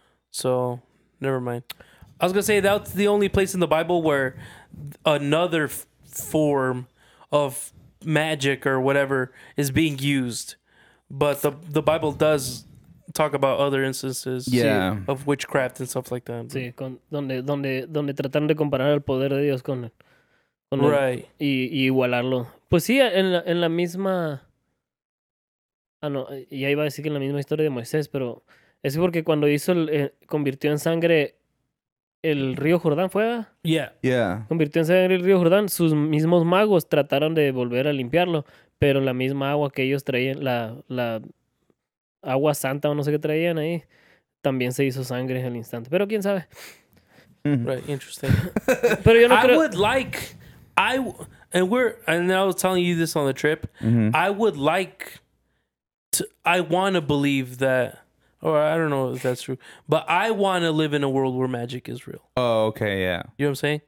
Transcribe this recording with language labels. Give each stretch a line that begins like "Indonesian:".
English: So, never mind. I was going to say that's the only place in the Bible where another form of magic or whatever is being used. But the Bible does talk about other instances, yeah, of witchcraft and stuff like that.
Spanish: Sí, donde tratan de comparar el poder de Dios con el,
English: right,
Spanish: y igualarlo. Pues sí, en la misma... Ah, no, ya iba a decir que en la misma historia de Moisés, pero es porque cuando hizo convirtió en sangre el río Jordán, ¿fue?
English: Yeah.
Spanish: Convirtió en sangre el río Jordán, sus mismos magos trataron de volver a limpiarlo, pero la misma agua que ellos traían, la agua santa o no sé qué traían ahí, también se hizo sangre al instante, pero quién sabe.
English: Right, interesting.
Spanish: Pero yo no creo...
English: I was telling you this on the trip, mm-hmm. I would like... I want to believe that, or I don't know if that's true, but I want to live in a world where magic is real. Oh, okay, yeah. You know what I'm saying?